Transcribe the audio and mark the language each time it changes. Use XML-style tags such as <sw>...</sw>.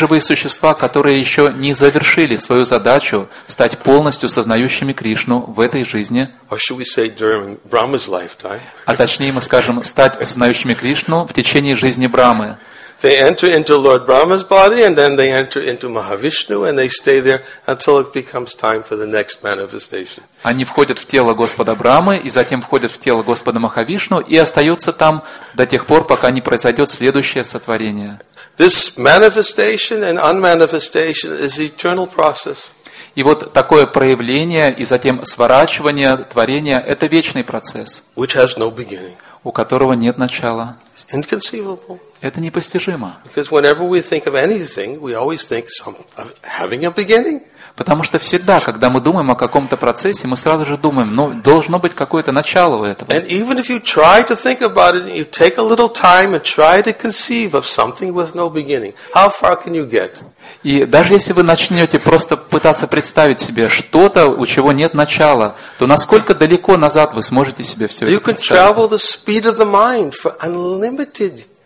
<ru>живые существа, которые еще не завершили свою задачу стать полностью сознающими Кришну в этой жизни, а точнее мы скажем, стать сознающими Кришну в течение жизни Брахмы.</ru> <en>They enter into Lord Brahma's body and then they enter into Mahavishnu and they stay there until it becomes time for the next manifestation.</en> <ru>Они входят в тело Господа Брахмы и затем входят в тело Господа Махавишну и остаются там до тех пор, пока не произойдет следующее сотворение.</ru> <en>This manifestation and unmanifestation is eternal process.</en> <ru>И вот такое проявление и затем сворачивание творения – это вечный процесс,</ru> <en>which has no beginning.</en> <ru>У которого нет начала.</ru> <en>It's inconceivable.</en> <ru>Это непостижимо.</ru> <en>Because whenever we think of anything, we always think of having a beginning.</en> <ru>Потому что всегда, когда мы думаем о каком-то процессе, мы сразу же думаем, ну, должно быть какое-то начало у этого.</ru> <en>And even if you try to think about it, you take a little time and try to conceive of something with no beginning. How far can you get?</en> <ru>И даже если вы начнете просто пытаться представить себе что-то, у чего нет начала, то насколько далеко назад вы сможете себе все это представить?</ru> <en>You can travel the speed of the mind for unlimited</en>